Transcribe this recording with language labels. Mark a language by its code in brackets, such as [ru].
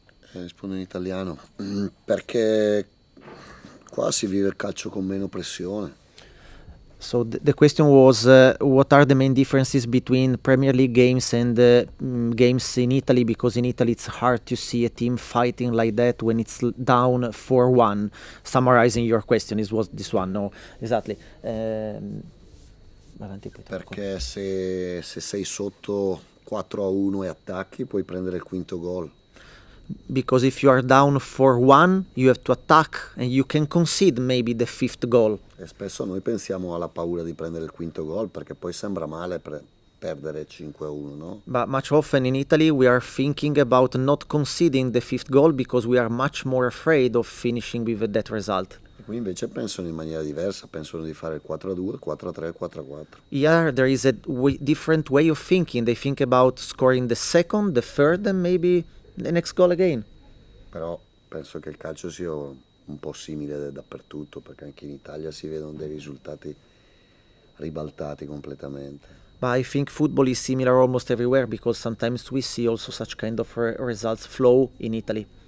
[it] Rispondo in italiano, perché qua si vive il calcio con meno pressione. [en] So the question was, what are the main differences between Premier League games and games in Italy? Because in Italy it's hard to see a team fighting like that when it's down 4-1. Summarizing your question, it was this one, no? Exactly. [it] Perché se sei sotto 4-1 e attacchi, puoi prendere il quinto gol. [en] Because if you are down 4-1, you have to attack and you can concede maybe the fifth goal. [it] E spesso noi pensiamo alla paura di prendere il quinto gol perché poi sembra male perdere 5-1, no? [en] But much often in Italy we are thinking about not conceding the fifth goal because we are much more afraid of finishing with that result. [it] Qui invece pensano in maniera diversa, pensano di fare 4-2, 4-3, 4-4. [en] Yeah, there is a different way of thinking. They think about scoring the second, the third and maybe the next goal again. [it] Però penso che il calcio sia un po' simile dappertutto, perché anche in Italia si vedono dei risultati ribaltati completamente. [en] But I think football is similar almost everywhere because sometimes we see also such kind of results flow in Italy.